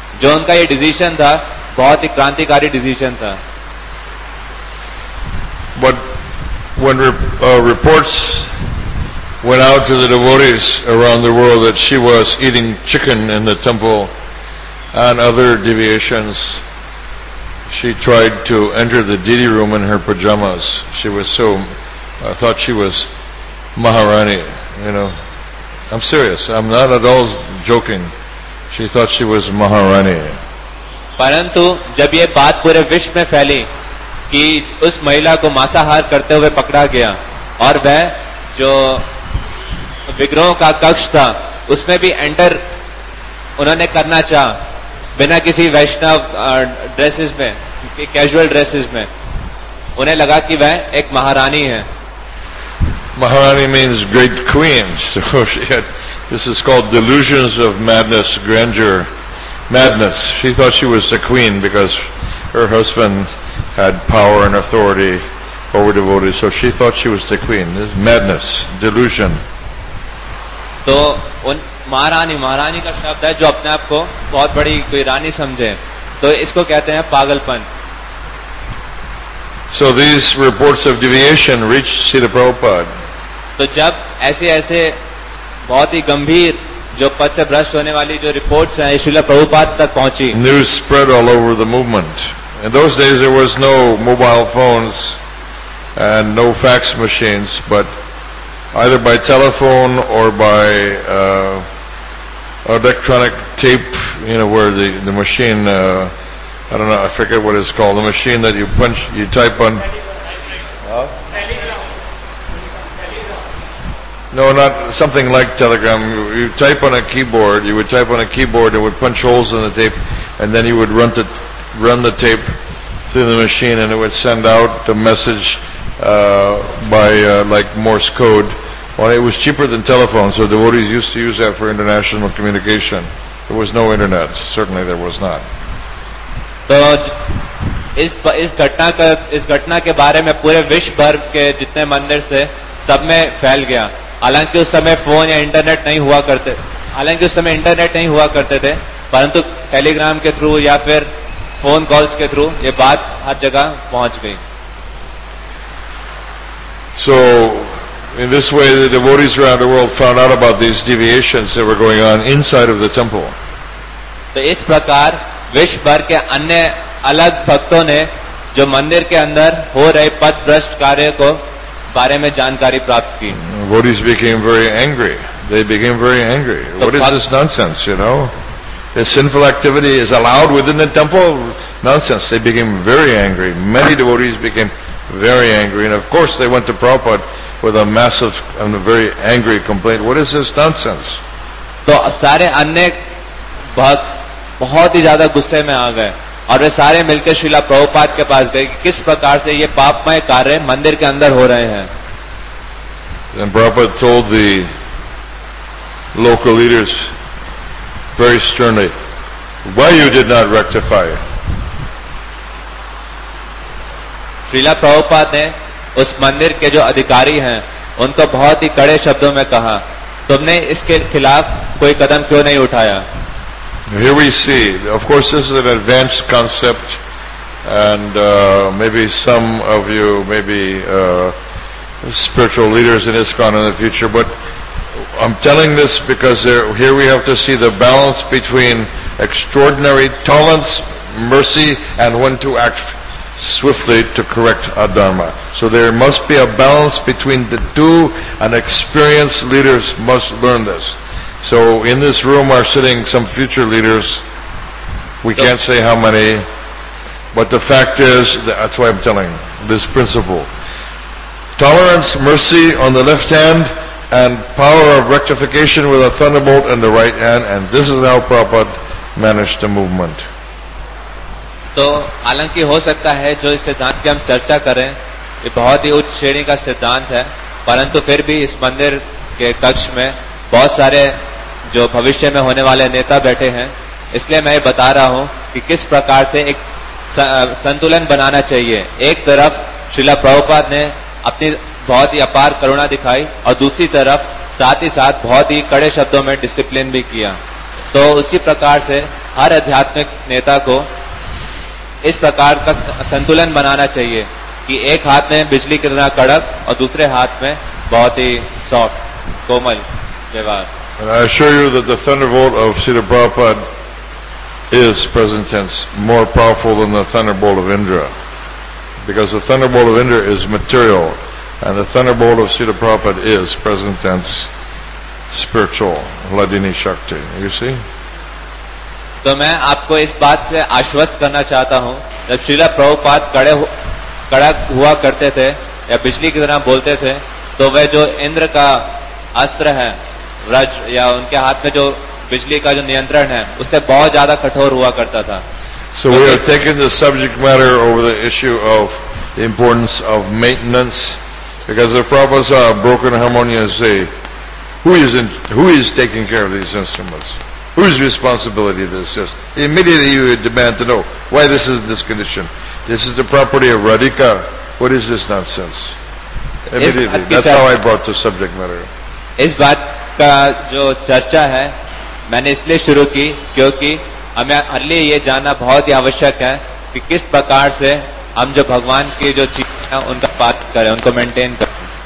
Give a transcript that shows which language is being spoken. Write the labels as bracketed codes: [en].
[hi] जो उनका ये डिसीजन था बहुत ही क्रांतिकारी डिसीजन था. [en] But one reports went out to the devotees around the world that she was eating chicken in the temple and other deviations. She tried to enter the deity room in her pajamas. She was so, I thought she was Maharani, you know. I'm serious. I'm not at all joking. She thought she was Maharani. [hi] परंतु जब ये बात पूरे विश्व में फैली कि उस महिला को मांसाहार करते हुए पकड़ा गया और वह जो विग्रहों का कक्ष था उसमें भी एंटर उन्होंने करना चाह बिना किसी वैष्णव ड्रेसेस में, कैजुअल ड्रेसेस में. उन्हें लगा कि वह एक महारानी है. [en] Maharani means great queen. So she had, this is called delusions of madness, grandeur, madness. She thought she was the queen because her husband had power and authority over devotees. So she thought she was the queen. This is madness, delusion. [hi] तो उन महारानी, महारानी का शब्द है जो अपने आप को बहुत बड़ी कोई रानी समझे, तो इसको कहते हैं पागलपन. [en] So these reports of deviation reached Srila Prabhupada. [hi] तो जब ऐसे ऐसे बहुत ही गंभीर जो पथ से भ्रष्ट होने वाली जो रिपोर्ट्स हैं श्रीला प्रभुपाद तक पहुंची. [en] News spread all over the movement. In those days there was no mobile phones and no fax machines, but either by telephone or by electronic tape, you know, where the machine I don't know, I forget what it's called, the machine that you punch, you type on. No, not something like telegram. You type on a keyboard, you would type on a keyboard, it would punch holes in the tape, and then you would run the tape through the machine, and it would send out the message by Morse code. Well, it was cheaper than telephone, so devotees used to use that for international communication. There was no internet, certainly there was not. [hi] तो इस घटना के बारे में पूरे विश्व भर के जितने मंदिर थे सब में फैल गया. हालांकि उस समय फोन या इंटरनेट नहीं हुआ करते थे, परंतु टेलीग्राम के थ्रू या फिर फोन कॉल्स के थ्रू ये बात हर जगह पहुंच गई. [en] So in this way the devotees around the world found out about these deviations that were going on inside of the temple. [hi] तो इस प्रकार विश्व भर के अन्य अलग भक्तों ने जो मंदिर के अंदर हो रहे पथ भ्रष्ट कार्य को बारे में जानकारी प्राप्त की. [en] Devotees became very angry. They became very angry. What is this nonsense, you know? This sinful activity is allowed within the temple? Nonsense. They became very angry. Many devotees became very angry. And of course they went to Prabhupada with a massive and a very angry complaint. What is this nonsense? [hi] तो सारे अन्य भक्त बहुत ही ज्यादा गुस्से में आ गए और वे सारे मिलकर श्रीला प्रभुपाद के पास गए कि किस प्रकार से ये पापमय कार्य मंदिर के अंदर हो रहे हैं. [en] Then Prabhupada told the local leaders very sternly, why you did not rectify? [hi] Srila Prabhupada ने उस मंदिर के जो अधिकारी हैं उनको बहुत ही कड़े शब्दों में कहा, तुमने इसके खिलाफ कोई कदम क्यों नहीं उठाया? [en] Here we see, of course this is an advanced concept and maybe some of you may be spiritual leaders in ISKCON in the future, but I'm telling this because here we have to see the balance between extraordinary tolerance, mercy and when to act swiftly to correct a dharma. So there must be a balance between the two and experienced leaders must learn this. So in this room are sitting some future leaders. We can't say how many, but the fact is that's why I'm telling this principle: tolerance, mercy on the left hand, and power of rectification with a thunderbolt in the right hand. And this is how Prabhupada managed the movement. [hi] तो हालांकि हो सकता है जो इस सिद्धांत की हम चर्चा करें ये बहुत ही उच्च श्रेणी का सिद्धांत है, परंतु फिर भी इस मंदिर के कक्ष में बहुत सारे जो भविष्य में होने वाले नेता बैठे हैं, इसलिए मैं ये बता रहा हूं कि किस प्रकार से एक संतुलन बनाना चाहिए. एक तरफ श्रीला प्रभुपाद ने अपनी बहुत ही अपार करुणा दिखाई और दूसरी तरफ साथ ही साथ बहुत ही कड़े शब्दों में डिसिप्लिन भी किया. तो उसी प्रकार से हर आध्यात्मिक नेता को इस प्रकार का संतुलन बनाना चाहिए कि एक हाथ में बिजली की तरह कड़क और दूसरे हाथ में बहुत ही सॉफ्ट कोमल व्यवहार. [en] And I assure you that the thunderbolt of Srila Prabhupada is, present tense, more powerful than the thunderbolt of Indra. Because the thunderbolt of Indra is material, and the thunderbolt of Srila Prabhupada is, present tense, spiritual, Ladini Shakti. You see? So, I want to assure you of this fact that when Srila Prabhupada was hard, or when he was talking like this, [hi] तो वह जो इंद्र का अस्त्र है व्रज या उनके हाथ में जो बिजली का जो नियंत्रण है उससे बहुत ज्यादा कठोर हुआ करता था. [en] So we are taking the subject matter over the issue of the importance of maintenance, because the Prabhupada saw a broken harmonia and say, who is taking care of these instruments? Whose responsibility is this? Immediately you would demand to know why this is in this condition. This is the property of Radhika. What is this nonsense? Immediately. That's how I brought the subject matter. [hi] इस बात का जो चर्चा है मैंने इसलिए शुरू की क्योंकि हमें अलग ये जानना बहुत ही आवश्यक है कि किस प्रकार से हम जो भगवान की जो चीजें हैं उनका पाठ करें उनको मेंटेन करें.